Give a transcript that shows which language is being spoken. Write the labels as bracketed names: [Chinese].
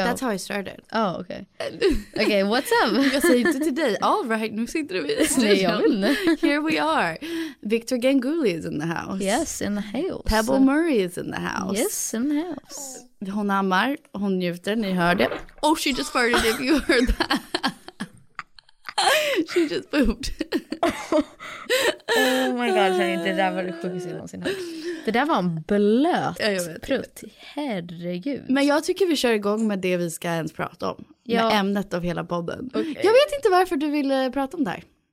[English] That's how I started. Oh, okay. Okay, what's up? [Swedish] Jag säger inte till dig. [English] All right, [Swedish] nu sitter vi i studion. [English] Here we are. Victor Ganguly is in the house. Yes, in the house. Pebble Murray is in the house. Yes, in the house. [Swedish] Hon ammar, hon njuter, ni hör det. [English] Oh, she just farted if you heard that. She just pooped. Oh my god, honey, [Swedish] det där var det sjukaste jag någonsin hört. Det där var en blöt prutt, herregud. Men jag tycker vi kör igång med det vi ska ens prata om, ja. Med ämnet av hela podden, okay. Jag vet inte varför du ville prata om det här.